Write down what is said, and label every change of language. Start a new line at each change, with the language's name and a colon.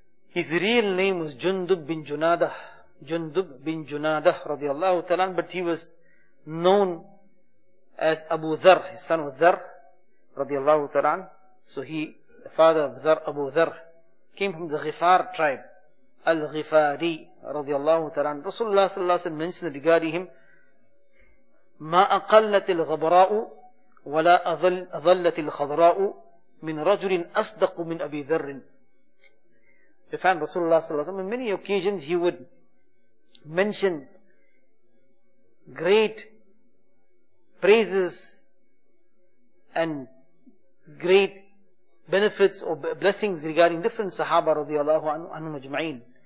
English: His real name was Jundub bin Junadah. Jundub bin Junadah radiallahu ta'ala, but he was known as Abu Dharr, his son of Dharr radiallahu ta'ala. So he, the father of Dharr, Abu Dharr, came from the Ghifar tribe. Al-Ghifari radiallahu ta'ala. Rasulullah sallallahu alayhi wa sallam mentioned regarding him,
Arabic: مَا أَقَلَّتِ الْغَبْرَاءُ وَلَا أَظَلَّتِ الْخَضْرَاءُ مِنْ رَجُلٍ أَصْدَقُ مِنْ أَبِي ذَرٍ.
English: We find Rasulullah sallallahu alayhi wa sallam, on many occasions he would mention great praises and great benefits or blessings regarding different Sahaba radiallahu anhum ajma'in.